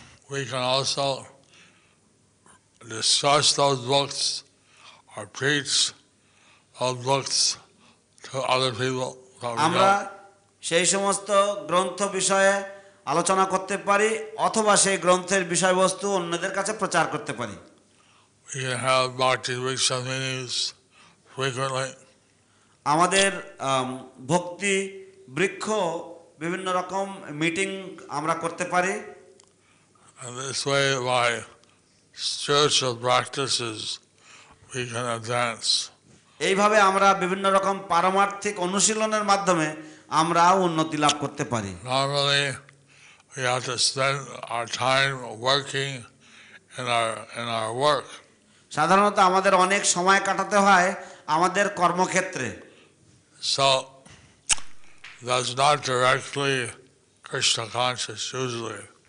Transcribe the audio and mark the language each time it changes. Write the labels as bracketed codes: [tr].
[en] We can also discuss those books or preach those books to other people. [bn] আমরা সেই সমস্ত গ্রন্থ বিষয়ে আলোচনা করতে পারি অথবা সেই গ্রন্থের বিষয়বস্তু অন্যদের কাছে প্রচার করতে পারি [en] We can have bhakti riksha meetings frequently. [bn] আমাদের ভক্তি বৃক্ষ বিভিন্ন রকম মিটিং আমরা করতে পারি [en] And this way, by spiritual practices, we can advance. [bn] এইভাবে আমরা বিভিন্ন রকম পারমার্থিক অনুশীলনের মাধ্যমে আমরা উন্নতি লাভ করতে পারি [en] Normally, we have to spend our time working in our work. [bn] সাধারণত আমাদের অনেক সময় কাটাতে হয় আমাদের কর্মক্ষেত্রে [en] So, that's not directly Krishna conscious usually.